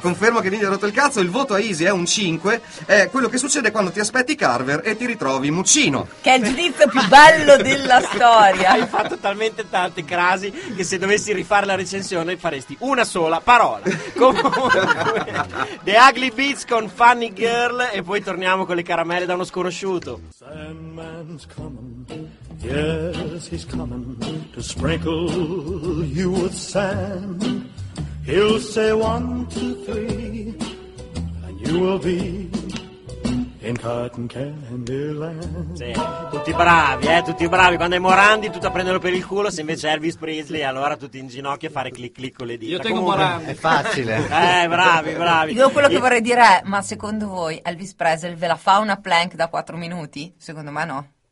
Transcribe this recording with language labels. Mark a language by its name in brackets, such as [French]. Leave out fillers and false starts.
[Italian] Confermo che l'India ha rotto il cazzo. Il voto a Easy è un 5. È quello che succede quando ti aspetti Carver e ti ritrovi Muccino, che è il giudizio più bello della storia. Hai fatto talmente tante crasi che se dovessi rifare la recensione faresti una sola parola. Comunque, The Ugly Beats con Funny Girl, e poi torniamo con le caramelle da uno sconosciuto. [English] Sandman's coming, yes he's coming to sprinkle you with sand. He'll say one, two, three, and you will be in cotton candy land. [Italian] Sì, tutti bravi, quando è Morandi tutto a prenderlo per il culo, se invece è Elvis Presley allora tutti in ginocchio a fare clic clic con le dita. Io tengo comunque Morandi. È facile. Bravi. Io quello che vorrei dire è, ma secondo voi Elvis Presley ve la fa una plank da 4 minuti? Secondo me no.